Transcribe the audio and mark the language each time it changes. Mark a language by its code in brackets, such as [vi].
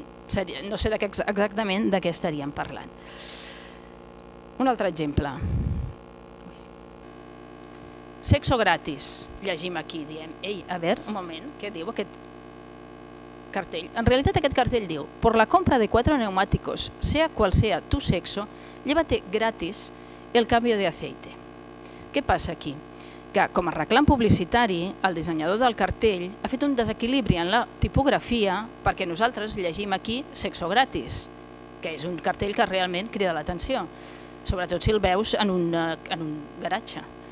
[ca] seria, no sé de què exactament de què estaríem parlant. Un altre exemple. [es] Sexo gratis. [ca] Llegim aquí, diem, ei, a veure, un moment, què diu aquest cartell? En realitat aquest cartell diu, [es] por la compra de 4 neumáticos, sea cual sea tu sexo, llévate gratis el cambio de aceite. [ca] Què passa aquí? Que com a reclam publicitari, el dissenyador del cartell ha fet un desequilibri en la tipografia perquè nosaltres llegim aquí sexo gratis, que és un cartell que realment crida l'atenció, sobretot si el veus en un garatge.